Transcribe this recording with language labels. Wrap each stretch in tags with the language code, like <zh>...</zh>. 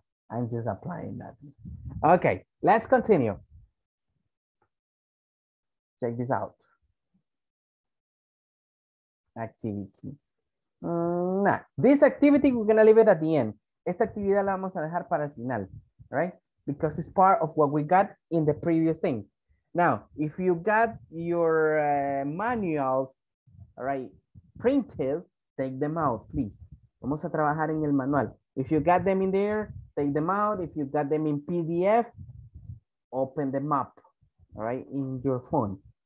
<en>I'm just applying that. Okay, let's continue. Check this out. Activity. This activity, we're gonna leave it at the end.</en> <es>Esta actividad la vamos a dejar para el final,</es> <en>right? Because it's part of what we got in the previous things. Now, if you got your manuals, right, printed, take them out, please.</en> <es>Vamos a trabajar en el manual.</es> <en>If you got them in there, take them out. If you got them in PDF, open them up, all right, in your phone.</en>